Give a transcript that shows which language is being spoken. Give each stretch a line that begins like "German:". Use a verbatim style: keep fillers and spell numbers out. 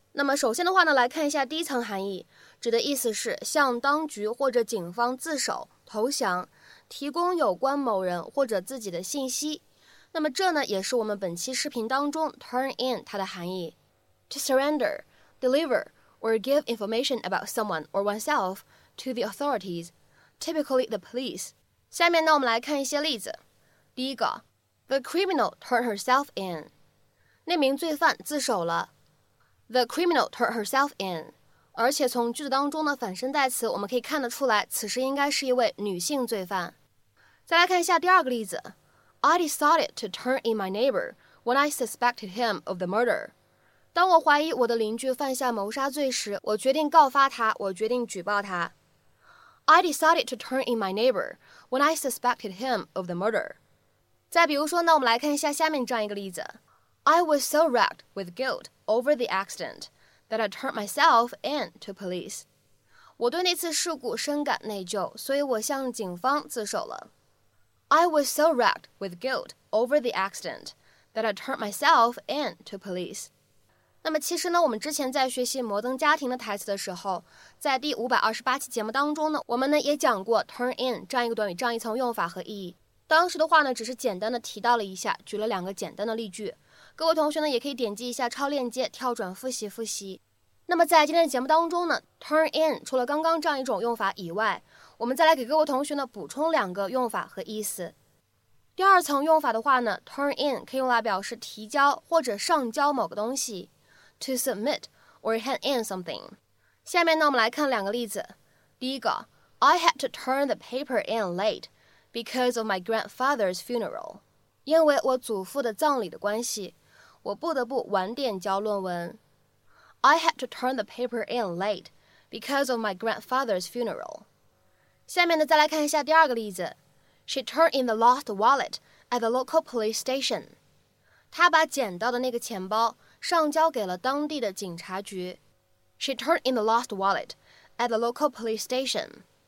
Chinese: 那么首先的话呢，来看一下第一层含义，指的意思是向当局或者警方自首、投降，提供有关某人或者自己的信息。那么这呢，也是我们本期视频当中 turn in 它的含义。
English: To surrender, deliver, or give information about someone or oneself to the authorities, typically the police.
Chinese: 下面呢，我们来看一些例子。第一个 ，
English: The criminal turned herself in.
Chinese: 那名罪犯自首了。
English: The criminal turned herself in.
Chinese: 而且从句子当中的反身代词我们可以看得出来，此时应该是一位女性罪犯。再来看一下第二个例子。
English: I decided to turn in my neighbor when I suspected him of the murder.
Chinese: 当我怀疑我的邻居犯下谋杀罪时，我决定告发他，我决定举报他。
English: I decided to turn in my neighbor when I suspected him of the murder.
Chinese: 再比如说呢，我们来看一下下面这样一个例子。
English: I was so racked with guilt over the accident that I turned myself in to police.
Chinese: 我对那次事故深感内疚，所以我向警方自首了。
English: I was so racked with guilt over the accident that I turned myself in to police.
Chinese: 那么其实呢，我们之前在学习《摩登家庭》的台词的时候，在第五百二十八期节目当中呢，我们呢也讲过 turn in 这样一个短语这样一层用法和意义。当时的话呢，只是简单的提到了一下，举了两个简单的例句。各位同学呢，也可以点击一下超链接跳转复习复习。那么在今天的节目当中呢 ，turn in 除了刚刚这样一种用法以外，我们再来给各位同学呢补充两个用法和意思。第二层用法的话呢 ，turn in 可以用来表示提交或者上交某个东西 ，
English: to submit or hand in something。
Chinese: 下面呢，我们来看两个例子。第一个
English: ，I had to turn the paper in late because of my grandfather's funeral。
Chinese: 因为我祖父的葬礼的关系。我不得不晚点交论文。
English: I had to turn the paper in late because of my grandfather's funeral.
Chinese: 下面呢，再来看一下第二个例子。
English: She turned in the lost wallet at the local police station.
Chinese: 她把捡到的那个钱包上交给了当地的警察局。
English: She turned in the lost wallet at the local police station.